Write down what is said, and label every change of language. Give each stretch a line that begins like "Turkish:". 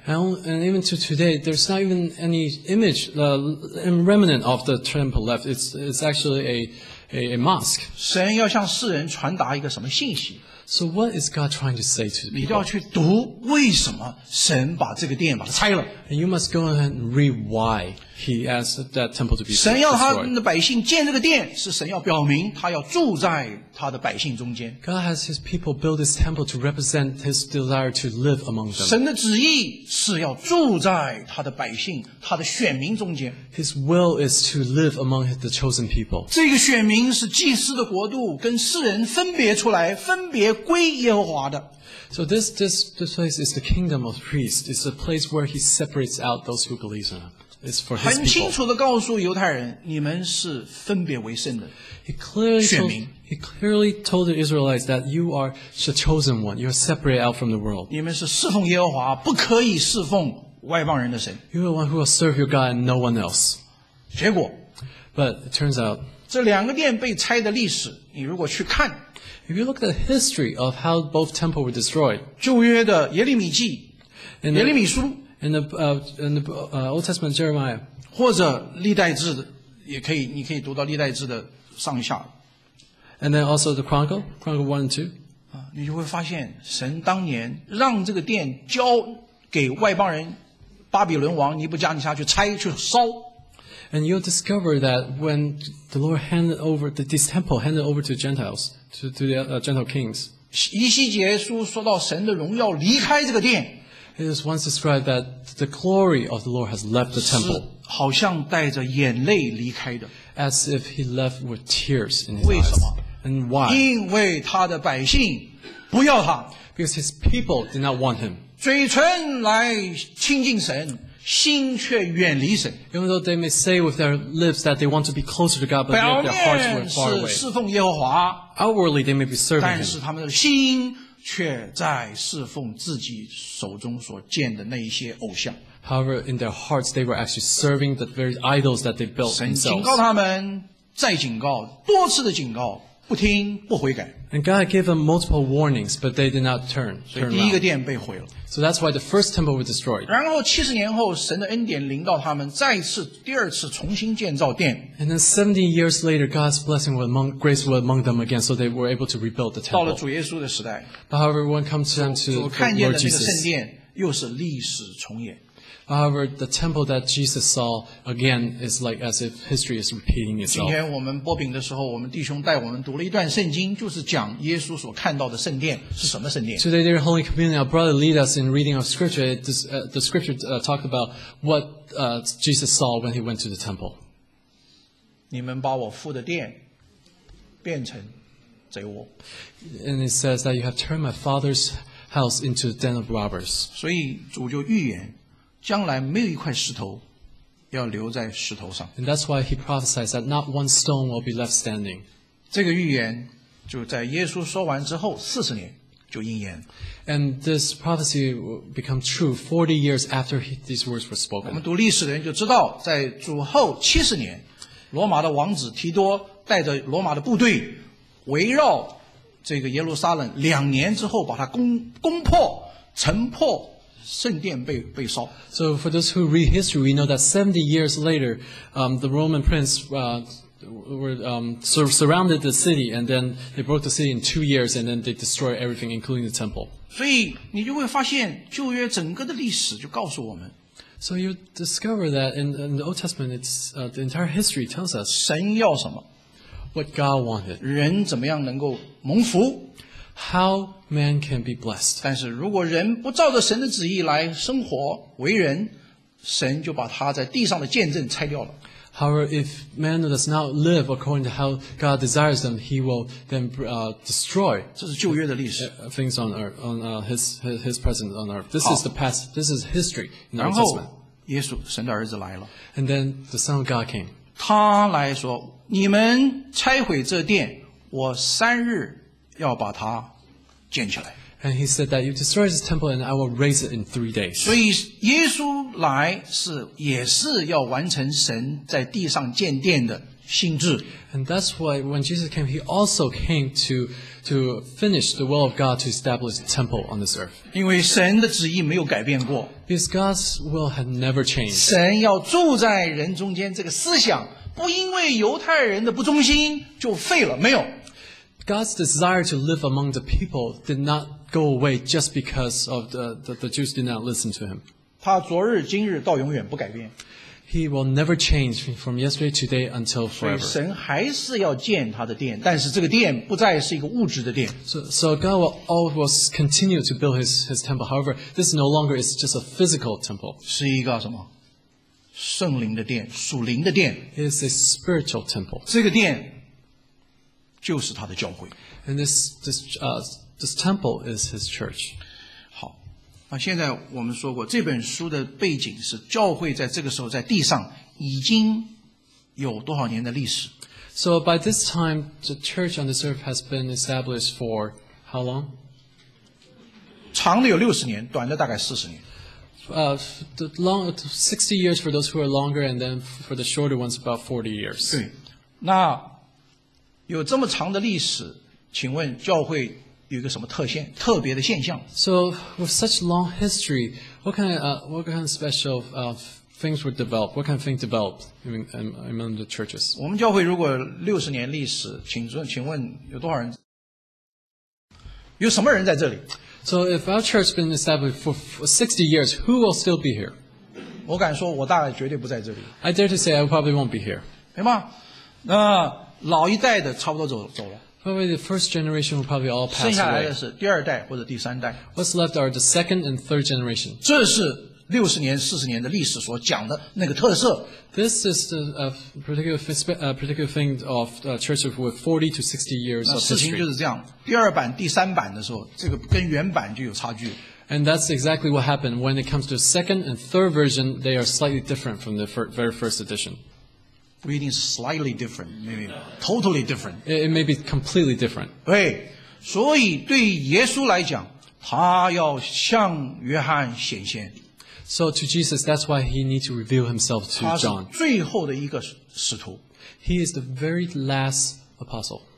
English: And even to today, there's not even any image, remnant of the temple left. It's actually a mosque.
Chinese: 神要向世人传达一个什么信息
English: ？So what is God trying to say to people?
Chinese: 你要去读为什么神把这个殿把它拆了。
English: And you must go ahead and read why He asked that temple to be destroyed. God has his people build his temple to represent his desire to live among them. His will is to live among the chosen people. So this place is the kingdom of priests. It's a place where he separates out those who believe in him. It's for his people.
Chinese: 很清楚地告诉犹太人，你们是分别为圣的选民。
English: He clearly told the Israelites that you are the chosen one. You are separated out from the world.
Chinese: 你们是侍奉耶和华，不可以侍奉外邦人的神。
English: You are the one who will serve your God and no one else.
Chinese: 结果
English: ，But it turns out，
Chinese: 这两个殿被拆的历史，你如果去看
English: ，If you look at the history of how both temples were destroyed，
Chinese: 旧约的耶利米记，耶利米书。
English: In the Old Testament Jeremiah,
Chinese: 或者历代志也可以，你可以读到历代志的上下。
English: And then also the Chronicle 1 and 2.
Chinese: 你就会发现神当年让这个殿交给外邦人，巴比伦王尼布加尼撒去拆去烧。
English: And you'll discover that when the Lord handed over this temple, handed over to Gentiles, to the Gentile kings.
Chinese: 以西结书说到神的荣耀离开这个殿。
English: It is once described that the glory of the Lord has left the temple.
Chinese: 是好像带着眼泪离开的。
English: As if he left with tears in his
Chinese: 为什么?
English: eyes. And why?
Chinese: 因为他的百姓不要他。
English: Because his people did not want him.
Chinese: 嘴唇来亲近神，心却远离神。
English: Even though they may say with their lips that they want to be closer to God, but yet their hearts were far away.
Chinese: 表面是侍奉耶和华。
English: Outwardly they may be serving him.
Chinese: 但是他们的心却在侍奉自己手中所建的那一些偶像。
English: However, in their hearts, they were actually serving the very idols that they built themselves.
Chinese: 神警告他们，再警告，多次的警告，不听，不悔改。
English: And God gave them multiple warnings, but they did not turn.
Chinese: 所以第一个殿被毁了。
English: So that's why the first temple was destroyed.
Chinese: 然后70年后，神的恩典临到他们，再次第二次重新建造殿。
English: And then 70 years later, God's blessing was among grace was among them again, so they were able to rebuild the temple.
Chinese: 到了主耶稣的时代。
English: But however, when it comes to them to the Lord Jesus,
Chinese: 主看见的那个圣殿又是历史重演。
English: However, the temple that Jesus saw again is like as if history is repeating itself.
Chinese: 今天我们播饼的时候，我们弟兄带我们读了一段圣经，就是讲耶稣所看到的圣殿是什么圣殿。
English: Today, during Holy Communion, our brother lead us in reading of scripture. The scripture talked about what Jesus saw when he went to the temple.
Chinese: 你们把我父的殿变成贼窝。
English: And it says that you have turned my father's house into a den of robbers.
Chinese: 所以主就预言。将来没有一块石头要留在石头上。
English: And that's why he prophesies that not one stone will be left standing.
Chinese: 这个预言就在耶稣说完之后40年就应验。
English: And this prophecy will become true 40 years after these words were spoken.
Chinese: 我们读历史的人就知道在主后70年罗马的王子提多带着罗马的部队围绕这个耶路撒冷两年之后把它攻破城破圣殿被烧。
English: So for those who read history, we know that 70 years later, the Roman prince were surrounded the city, and then they broke the city in 2 years, and then they destroyed everything, including the temple.
Chinese: 所以你就会发现旧约整个的历史就告诉我们。
English: So you discover that in the Old Testament, it's the entire history tells us
Chinese: 神要什么
English: ，what God wanted，
Chinese: 人怎么样能够蒙福。
English: How man can be blessed.
Chinese: 但是如果人不照着神的旨意来生活为人，神就把他在地上的见证拆掉了。
English: However, if man does not live according to how God desires them, he will then destroy.
Chinese: 这是旧约的历史。
English: Things on earth, on his presence on earth. This is the past. This is history.
Chinese: 然后，耶稣神的儿子来了。
English: And then the Son of God came.
Chinese: 他来说：“你们拆毁这殿，我三日。” 要把它建起来。
English: And he said that you destroy this temple and I will raise it in 3 days.
Chinese: 所以耶稣来是也是要完成神在地上建殿的心志。
English: And that's why when Jesus came, he also came to finish the will of God to establish a temple on this earth.
Chinese: 因为神的旨意没有改变过。
English: Because God's will had never changed.
Chinese: 神要住在人中间这个思想不因为犹太人的不忠心就废了，没有。
English: God's desire to live among the people did not go away just because of the Jews did not listen to him.
Chinese: 他昨日今日到永远不改变。
English: He will never change from yesterday, today, until forever.
Chinese: 所以神还是要建他的殿，但是这个殿不再是一个物质的殿。
English: So God will always continue to build his temple. However, this no longer is just a physical temple.
Chinese: 是一个什么？圣灵的殿，属灵的殿。
English: It is a spiritual temple.
Chinese: 这个殿就是他的教会。
English: And this temple is his church.
Chinese: 现在我们说过这本书的背景是教会在这个时候在地上已经有多少年的历史。
English: So by this time, the church on this earth has been established for how long?
Chinese: 长的有60年，短的大概40年。
English: 60 years for those who are longer, and then for the shorter ones, about 40 years.
Chinese: 对，那有这么长的历史，请问教会有一个什么特别的现象。
English: So with such long history, what kind of special things were developed? What kind of thing developed among the churches?
Chinese: 我们教会如果60年历史，请问有多少人？有什么人在这里
English: ？So if our church has been established for 60 years, who will still be here?
Chinese: 我敢说，我大概绝对不在这里。
English: I dare to say I probably won't be here.
Chinese: 对吗？那老一代的差不多走了。
English: Probably the first generation will probably all pass away.
Chinese: 剩下来的是第二代或者第三代。
English: What's left are the second and third generation.
Chinese: 这是60年40年的历史所讲的那个特色。
English: This is the particular thing of a church with 40 to 60 years of history.
Chinese: 事情就是这样，第二版第三版的时候，这个跟原版就有差距。
English: And that's exactly what happened. When it comes to the second and third version, they are slightly different from the very first edition.
Chinese: 不一定是
English: slightly different, maybe totally different. It may be completely different.
Chinese: 对，所以对耶稣来讲，他要向约翰显现。
English: So to Jesus, that's why he needs to reveal himself to John.
Chinese: 他是最后的一个使徒。
English: He is the very last apostle.